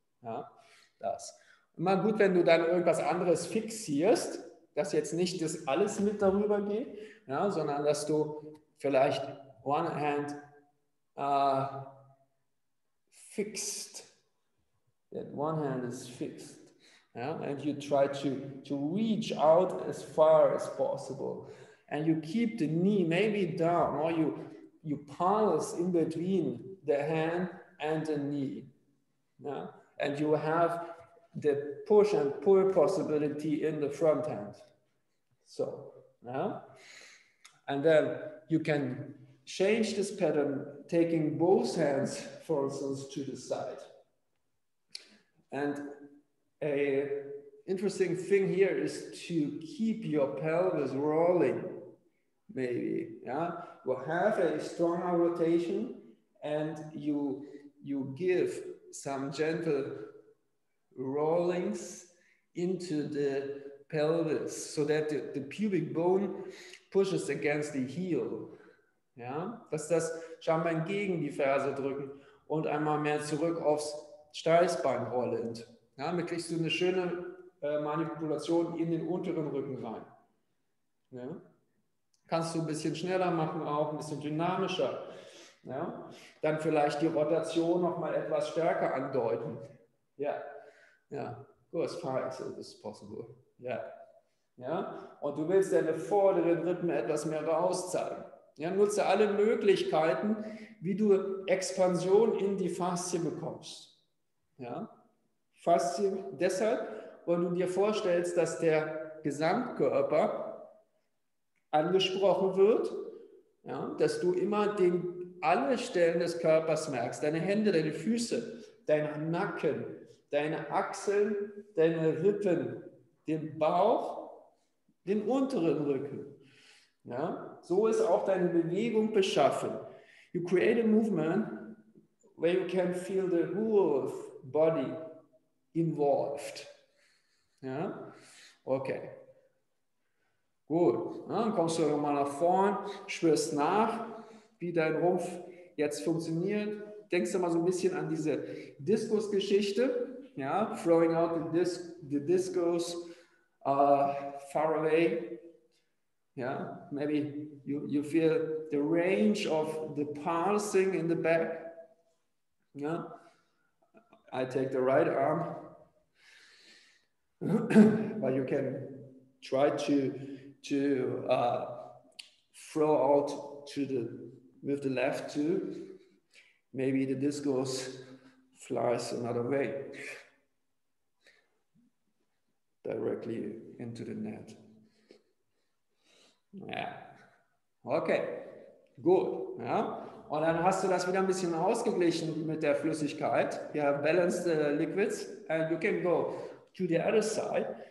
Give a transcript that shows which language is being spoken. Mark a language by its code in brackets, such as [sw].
[de] Ja, das. Immer gut, wenn du dann irgendwas anderes fixierst, dass jetzt nicht das alles mit darüber geht, ja, sondern dass du vielleicht [en] one hand fixed. That one hand is fixed. Yeah, and you try to reach out as far as possible. And you keep the knee maybe down, or you pulse in between the hand and the knee. Yeah? And you have the push and pull possibility in the front hand. So, yeah? And then you can change this pattern, taking both hands, for instance, to the side. And a interesting thing here is to keep your pelvis rolling, maybe. Yeah, we'll have a stronger rotation and you give some gentle rollings into the pelvis so that the pubic bone pushes against the heel. [de] Ja, dass das Schambein gegen die Ferse drücken und einmal mehr zurück aufs Steißbein rollend. Ja, damit kriegst du eine schöne Manipulation in den unteren Rücken rein. Ja. Kannst du ein bisschen schneller machen, auch ein bisschen dynamischer. Ja. Dann vielleicht die Rotation noch mal etwas stärker andeuten. [en] Ja, ja. Go as far as it is possible. Ja. Ja. [de] Und du willst deine vorderen Rippen etwas mehr rauszeigen. Ja, nutze alle Möglichkeiten, wie du Expansion in die Faszie bekommst. Ja. Faszie deshalb, weil du dir vorstellst, dass der Gesamtkörper angesprochen wird, ja, dass du immer alle Stellen des Körpers merkst, deine Hände, deine Füße, dein Nacken, deine Achseln, deine Rippen, den Bauch, den unteren Rücken. Ja, so ist auch deine Bewegung beschaffen. [en] You create a movement where you can feel the whole body involved. [de] Ja, okay. Gut, ja, dann kommst du nochmal nach vorne, spürst nach, wie dein Rumpf jetzt funktioniert. Denkst du mal so ein bisschen an diese Diskus-Geschichte, ja, [en] throwing out the discos far away. Ja, maybe you feel the range of the pulsing in the back. Ja, I take the right arm. But you can try to throw out with the left too. Maybe the discus flies another way. Directly into the net. [de] Ja. Okay. Gut. Ja. Und dann hast du das wieder ein bisschen ausgeglichen mit der Flüssigkeit. [en] You have balanced the liquids and you can go to the other side.